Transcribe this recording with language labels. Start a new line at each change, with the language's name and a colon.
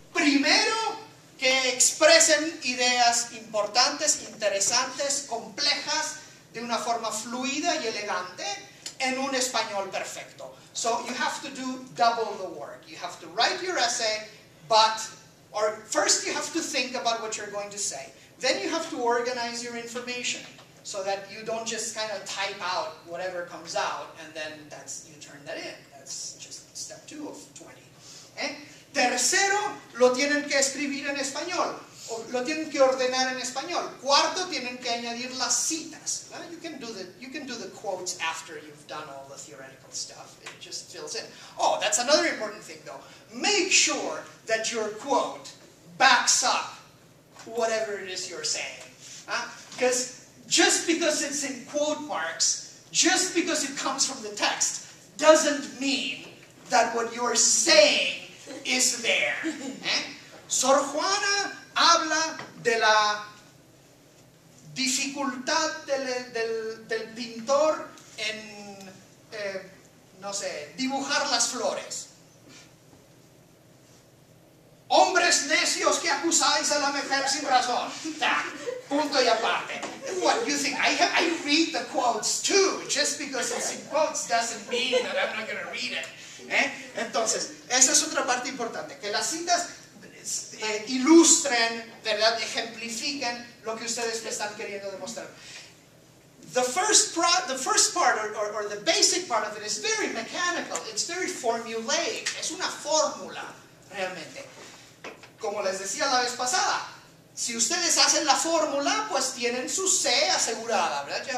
Spanish: primero que expresen ideas importantes, interesantes, complejas, de una forma fluida y elegante, en un español perfecto.
English: So you have to do double the work. You have to write your essay, or first you have to think about what you're going to say. Then you have to organize your information so that you don't just kind of type out whatever comes out and then that's, you turn that in. That's just step two of 20.
Spanish: ¿Eh? Tercero, lo tienen que escribir en español. O lo tienen que ordenar en español. Cuarto, tienen que añadir las citas.
English: Well, you can do the quotes after you've done all the theoretical stuff. It just fills in. Oh, that's another important thing, though. Make sure that your quote backs up whatever it is you're saying. Because just because it's in quote marks, just because it comes from the text, doesn't mean that what you're saying is there.
Spanish: Sor Juana habla de la dificultad del pintor en, no sé, dibujar las flores. Hombres necios que acusáis a la mujer sin razón. Punto y aparte.
English: What you think? I read the quotes too. Just because it's in quotes doesn't mean that I'm not going to read it.
Spanish: Entonces, esa es otra parte importante. Que las citas ilustren, ¿verdad? Ejemplifiquen lo que ustedes están queriendo demostrar.
English: The first part, or the basic part of it is very mechanical. It's very formulaic.
Spanish: Es una fórmula, realmente. Como les decía la vez pasada, si ustedes hacen la fórmula, pues tienen su C asegurada, ¿verdad?